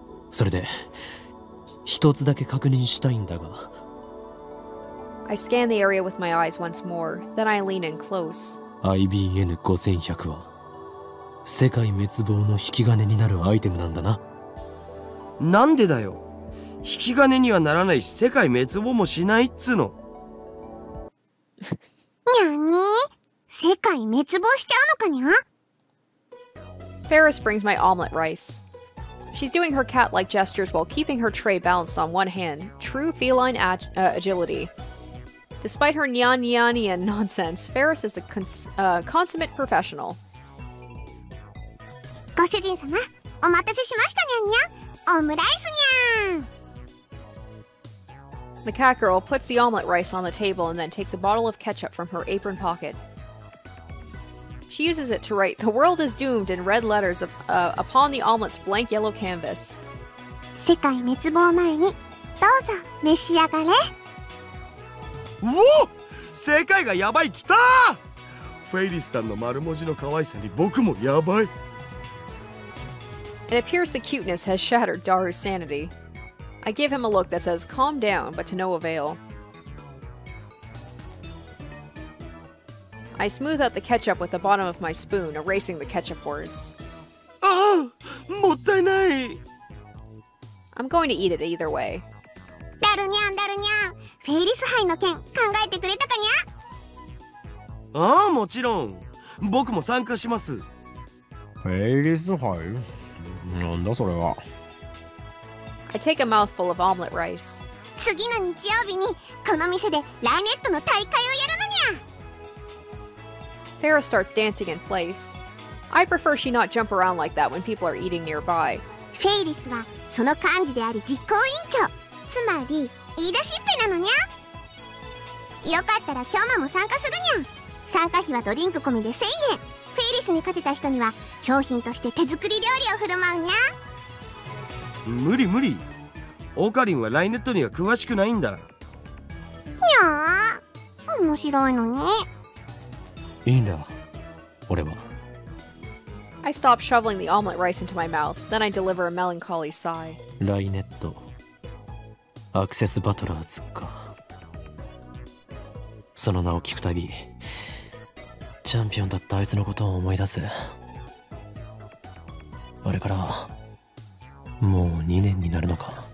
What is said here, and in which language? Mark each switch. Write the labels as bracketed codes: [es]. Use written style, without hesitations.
[ja] それで、一つだけ確認したいんだが。 [en] I scan the area with my eyes once more, then I lean in close. [ja] IBN5100 は、世界滅亡の引き金になるアイテムなんだな。なんでだよ。引き金にはならないし、世界滅亡もしないっつの。にゃに？世界滅亡しちゃうのかにゃ？ [en] Ferris brings my omelet rice. She's doing her cat-like gestures while keeping her tray balanced on one hand. True feline agility. Despite her nyan-nyanian nonsense, Ferris is the consummate professional. [ja] ご主人様、お待たせしました、にゃんにゃん。オムライスにゃん。 [en] The cat girl puts the omelet rice on the table and then takes a bottle of ketchup from her apron pocket. She uses it to write, "The world is doomed" in red letters upon the omelet's blank yellow canvas. [ja] 世界滅亡前に、どうぞ召し上がれ。うお、世界がやばい、来た。フェイリスさんの丸文字の可愛さに僕もやばい。 [en] It appears the cuteness has shattered Daru's sanity. I give him a look that says, "Calm down," but to no avail. I smooth out the ketchup with the bottom of my spoon, erasing the ketchup words. [ja] Ah! もったいない! [en] I'm going to eat it either way. [ja] ダルニャン、ダルニャン!フェイリス杯の件、考えてくれたかにゃ? ああ、もちろん!僕も参加します! フェイリス杯?なんだそれは? [en] I take a mouthful of omelet rice. [ja] 次の日曜日に、この店でラネットの大会をやるのにゃ! [en] Ferris starts dancing in place. I prefer she not jump around like that when people are eating nearby. [ja] Ferris はその感じであり実行委員長、つまり言い出しっぺなのにゃ。よかったら今日も参加するにゃ。参加費はドリンク込みで1000円。 Ferris に勝てた人には商品として手作り料理を振る舞うにゃ。無理無理。オカリンはライネットには詳しくないんだ。にゃあ、面白いのに。いいんだ、俺は。 [en] I stop shoveling the omelet rice into my mouth, then I deliver a melancholy sigh. [ja] ライネット、アクセスバトラーズか。その名を聞くたび、チャンピオンだったあいつのことを思い出す。あれから、もう2年になるのか。